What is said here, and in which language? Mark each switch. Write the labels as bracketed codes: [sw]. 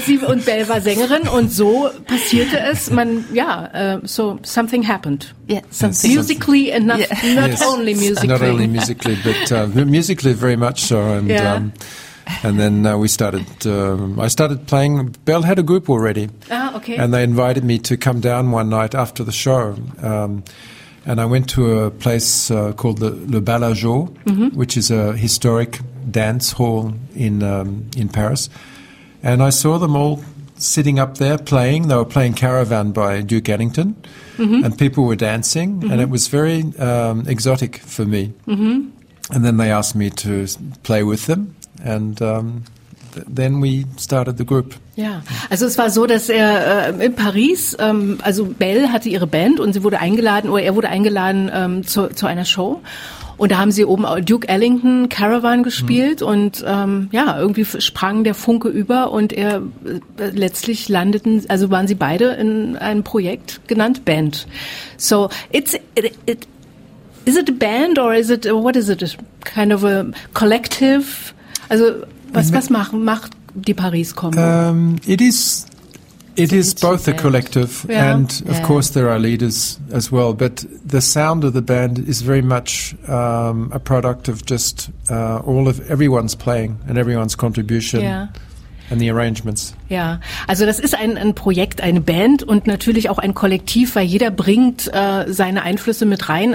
[de] und Belle war Sängerin, und so passierte es, [en] so something happened. Yes, something. Musically and not only musically. Not only musically, but musically very much so, and... Yeah. And then I started playing. Belle had a group already. Ah, okay. And they invited me to come down one night after the show. And I went to a place called Le Balageau, mm-hmm, which is a historic dance hall in Paris. And I saw them all sitting up there playing. They were playing Caravan by Duke Ellington. Mm-hmm. And people were dancing. Mm-hmm. And it was very exotic for me. Mm-hmm. And then they asked me to play with them. And then we started the group. [de] Ja, also es war so, dass er in Paris, also Belle hatte ihre Band und sie wurde eingeladen, oder er wurde eingeladen zu einer Show. Und da haben sie oben Duke Ellington Caravan gespielt und ja, irgendwie sprang der Funke über und er letztlich landeten, also waren sie beide in einem Projekt genannt Band. [en] So, is it a band or is it, what is it, a kind of a collective? [de] Also, was macht die Paris Combo? [en] It is both a collective, yeah. And of course there are leaders as well. But the sound of the band is very much a product of just everyone's playing and everyone's contribution. Yeah. And the arrangements. [de] Ja, also das ist ein Projekt, eine Band und natürlich auch ein Kollektiv, weil jeder bringt seine Einflüsse mit rein.